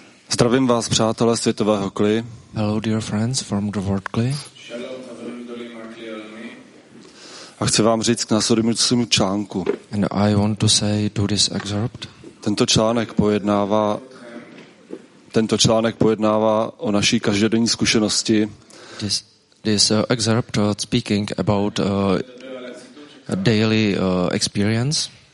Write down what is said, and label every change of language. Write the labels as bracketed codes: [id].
[cs] Zdravím vás, přátelé světového kli. [en] Hello, dear friends from the world kli. [cs] A chci vám říct k následujícímu článku. [en] And I want to say to this excerpt. [cs] Tento článek pojednává o naší každodenní zkušenosti. [en] This excerpt speaking about daily experience.